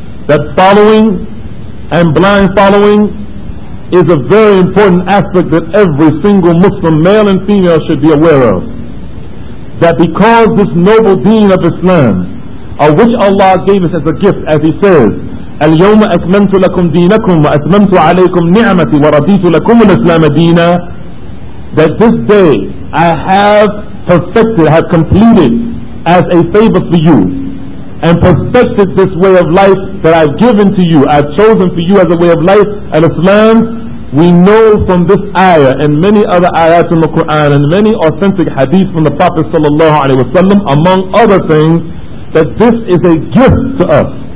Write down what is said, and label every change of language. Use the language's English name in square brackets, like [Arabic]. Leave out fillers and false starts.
[English] that following and blind following is a very important aspect that every single Muslim, male and female, should be aware of. That because this noble deen of Islam, of which Allah gave us as a gift, as He says, [Arabic] اليوم أتممت لكم دينكم وأتممت عليكم نعمتي ورضيت لكم الإسلام دينا. [English] That this day I have perfected, have completed as a favor for you, and perfected this way of life that I've given to you, I've chosen for you as a way of life, al-Islam. We know from this ayah and many other ayahs in the Quran and many authentic hadith from the Prophet sallallahu alaihi wasallam, among other things, that this is a gift to us.